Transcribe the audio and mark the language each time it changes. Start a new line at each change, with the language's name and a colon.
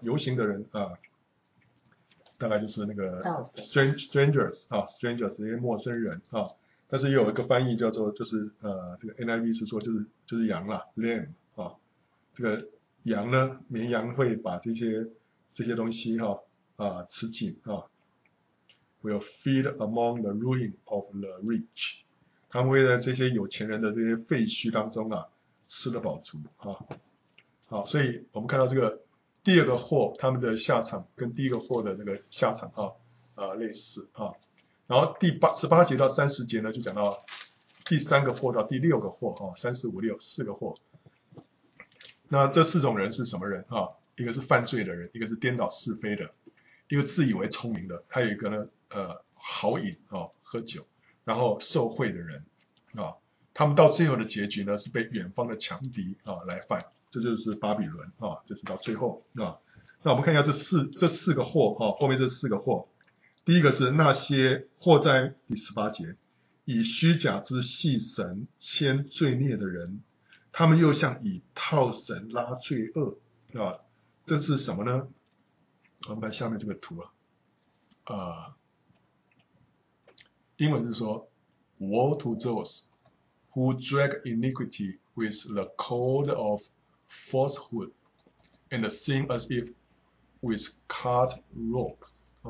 Chinese: 游行的人啊，大概就是那个 strangers 啊 ，strangers 这些陌生人啊。但是有一个翻译叫做，就是这个 NIV 是说就是羊啦 ，lamb 啊，这个羊呢，绵羊会把这些东西哈啊吃尽啊。
English: Will feed among the ruin of the rich.
Chinese: 他们会在这些有钱人的这些废墟当中啊吃得饱足啊。好，所以我们看到这个第二个祸，他们的下场跟第一个祸的这个下场啊类似啊。然后第18节到30节呢，就讲到第三个祸到第六个祸啊 ,3456, 四个祸。那这四种人是什么人啊？一个是犯罪的人，一个是颠倒是非的，一个自以为聪明的，还有一个呢豪饮啊、哦，喝酒，然后受贿的人啊、哦，他们到最后的结局呢是被远方的强敌啊、哦、来犯，这就是巴比伦啊、哦，就是到最后啊、哦。那我们看一下这四个祸啊、哦，后面这四个祸，第一个是那些祸灾，第十八节，以虚假之戏神牵罪孽的人，他们又像以套绳拉罪恶啊、哦，这是什么呢？我们看下面这个图啊。英文是说
English: woe to those who drag iniquity with the cord of falsehood, and sing as if with cut ropes.